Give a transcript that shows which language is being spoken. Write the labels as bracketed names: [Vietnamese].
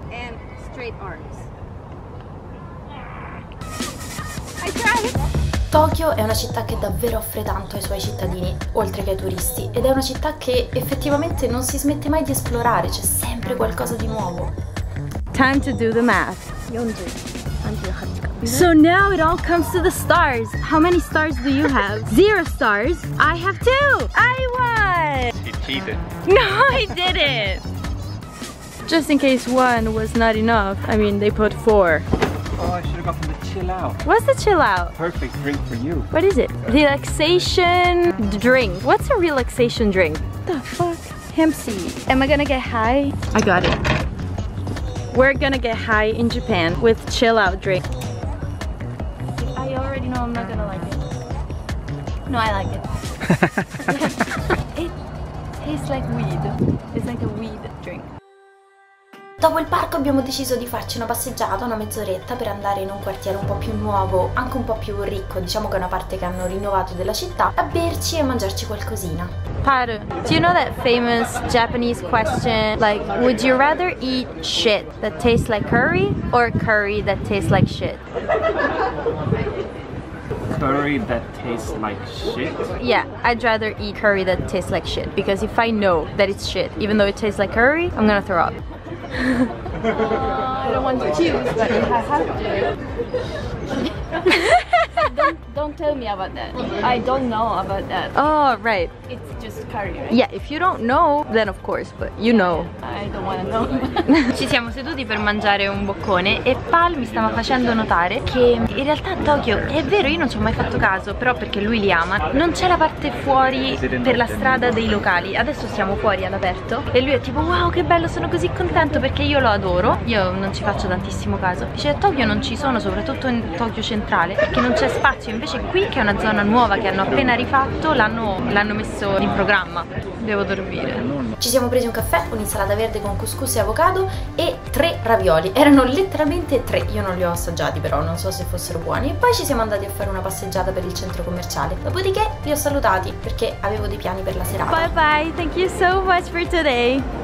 [English] And straight arms. I tried. [Italian] Tokyo è una città che davvero offre tanto ai suoi cittadini, oltre che ai turisti, ed è una città che effettivamente non si smette mai di esplorare, c'è sempre qualcosa di nuovo. [English] Time to do the math. So now it all comes to the stars. How many stars do you have? Zero stars. I have two. I won. She cheated. No, I didn't. Just in case one was not enough, I mean, they put four. Oh, I should have gotten the chill out. What's the chill out? Perfect drink for you. What is it? Relaxation drink. What's a relaxation drink? What the fuck? Hemp seed. Am I gonna get high? I got it. We're gonna get high in Japan with chill out drink. I already know I'm not gonna like it. No, I like it. It tastes like weed. It's like a weed drink. [Italian] Dopo il parco abbiamo deciso di farci una passeggiata, una mezz'oretta, per andare in un quartiere un po' più nuovo, anche un po' più ricco, diciamo che è una parte che hanno rinnovato della città, a berci e mangiarci qualcosina. [English] Paru, do you know that famous Japanese question, like, would you rather eat shit that tastes like curry or curry that tastes like shit? Curry that tastes like shit? Yeah, I'd rather eat curry that tastes like shit, because if I know that it's shit, even though it tastes like curry, I'm gonna throw up. I don't want to choose, but I have to. don't tell me about that. I don't know about that. Oh, right. It's just curry, right? Yeah, if you don't know, then of course, but you know. I don't want to know. [Italian] Ci siamo seduti per mangiare un boccone e Pal mi stava facendo notare che in realtà a Tokyo, è vero, io non ci ho mai fatto caso, però perché lui li ama, non c'è la parte fuori per la strada dei locali. Adesso siamo fuori all'aperto e lui è tipo, wow, che bello, sono così contento perché io lo adoro. Io non ci faccio tantissimo caso. Dice, a Tokyo non ci sono, soprattutto in Tokyo centrale, perché non c'è spazio. Invece qui, che è una zona nuova che hanno appena rifatto, l'hanno messo in programma. Devo dormire. Ci siamo presi un caffè, un'insalata verde con couscous e avocado e tre ravioli. Erano letteralmente tre, io non li ho assaggiati però, non so se fossero buoni. E poi ci siamo andati a fare una passeggiata per il centro commerciale. Dopodiché vi ho salutati perché avevo dei piani per la serata. [English] Bye bye, thank you so much for today.